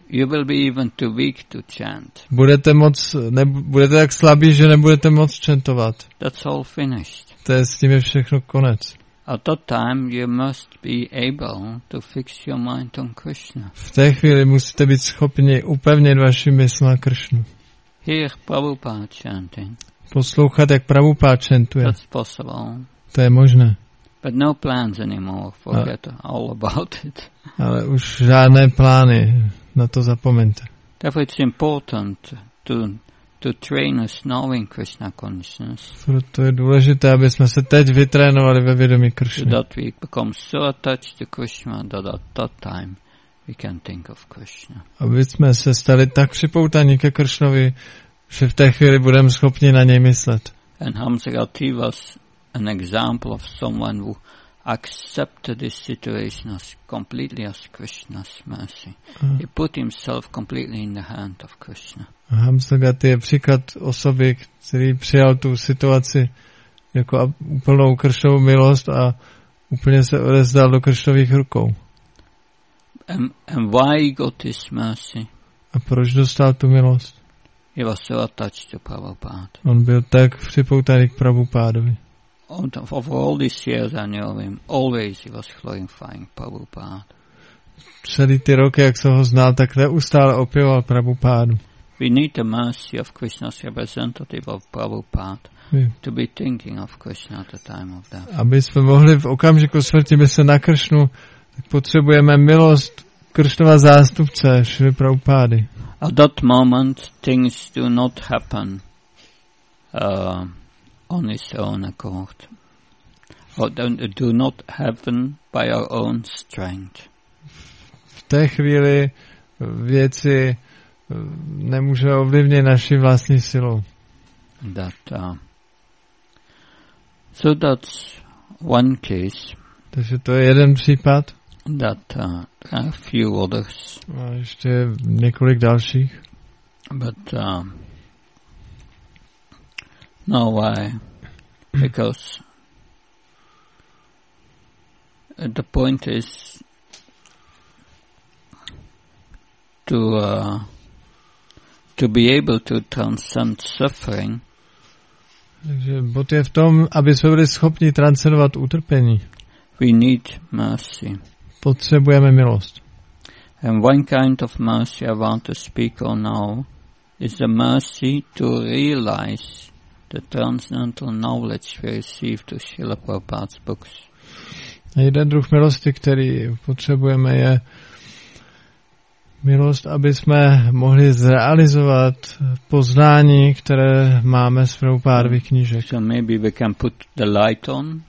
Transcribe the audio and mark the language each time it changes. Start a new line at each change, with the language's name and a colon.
English: You will be even too weak to chant.
Czech: Budete tak slabí, že nebudete moc chantovat.
English: That's all finished.
Czech: To je s tím je všechno konec.
English: At that time you must be able to fix your mind on Krishna.
Czech: V té chvíli musíte být schopni upevnit vaši mysl na Krishnu.
English: Hear Prabhupada chanting.
Czech: Poslouchat, jak Prabhupada chantuje.
English: That's possible.
Czech: To je možné.
English: But no plans anymore. Forget all about it.
Czech: Ale už žádné plány, na to zapomeňte.
English: Therefore it's important to train us knowing Krishna consciousness.
Czech: Proto je důležité, aby jsme se teď vytrénovali ve vědomí Krishna.
English: So that we become so attached to Krishna that at that time we can think of Krishna.
Czech: Aby jsme se stali tak připoutaní ke Krishnovi, že v té chvíli budeme schopni na něj myslet.
English: And Hamsagati was an example of someone who accepted this situation as completely as Krishna's mercy. He put himself completely in the hand of Krishna.
Czech: Hamsagati je příklad osoby, který přijal tu situaci jako úplnou Krishnovu milost a úplně se odevzdal do Krishnových rukou.
English: And why got this mercy?
Czech: A proč dostal tu milost?
English: He was so attached to Prabhupada.
Czech: On byl tak připoutaný k Prabhupádovi.
English: Of all these years I knew him, always he was glorifying Prabhupada.
Czech: Celý ty roky, jak jsem ho znal, tak neustále opěval Prabhupádu.
English: We need the mercy of Krishna's representative of Prabhupada to be thinking of Krishna at the time of death.
Czech: Aby jsme mohli v okamžiku smrti myslet na Krishnu, tak potřebujeme milost Krishnova zástupce, Šri Prabhupády.
English: At that moment things do not happen on his own accord. Do not happen by our own strength.
Czech: V té chvíli věci nemůže ovlivnit naši vlastní silu.
English: That, so that's one case.
Czech: Takže to je jeden případ.
English: That, a few others.
Czech: A ještě několik dalších.
English: But, no, why? Because the point is to be able to transcend suffering.
Czech: Takže bod je v tom, aby jsme byli schopni transcendovat utrpení.
English: We need mercy.
Czech: Potřebujeme milost.
English: And one kind of mercy I want to speak on now is the mercy to realize the transcendental knowledge we receive to Srila Prabhupada's books.
Czech: A jeden druh milosti, který potřebujeme, je milost, aby jsme mohli zrealizovat poznání, které máme z Prabhupádovy knížek.
English: So maybe we can put the light on.